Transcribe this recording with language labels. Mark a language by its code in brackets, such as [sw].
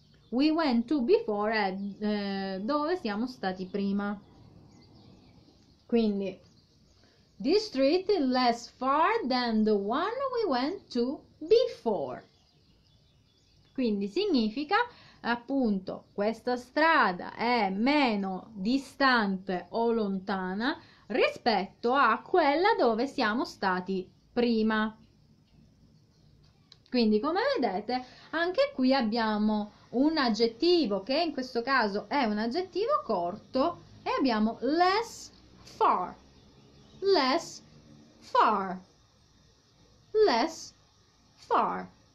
[en] We went to before [it] è dove siamo stati prima. [en] Quindi, this street is less far than the one we went to before. [it] Quindi significa appunto questa strada è meno distante o lontana rispetto a quella dove siamo stati prima. Quindi, come vedete, anche qui abbiamo un aggettivo che in questo caso è un aggettivo corto e abbiamo [en] less far, less far, less far.